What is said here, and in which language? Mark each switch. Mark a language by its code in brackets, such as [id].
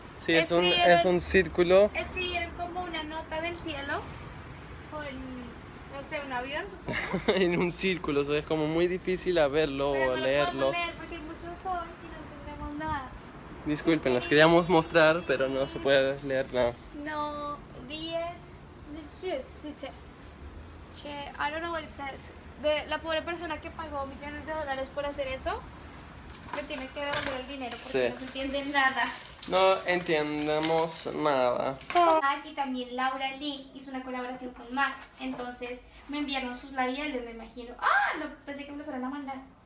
[es] Sí, es un círculo. Escribieron como una nota del cielo con, no sé, un avión, en un círculo, o sea, es como muy difícil a verlo pero o a leerlo. No lo podemos leer porque hay mucho sol y no entendemos nada. Disculpen, sí. Las queríamos mostrar, pero no se puede leer nada. No, 10 de Che, [en] I don't know what it says. [es] De la pobre persona que pagó millones de dólares por hacer eso, que tiene que devolver el dinero porque no se entiende nada. No entendemos nada. Aquí también Laura Lee hizo una colaboración con Mac. Entonces me enviaron sus labiales, me imagino. ¡Ah! Pensé que me lo fueran a mandar.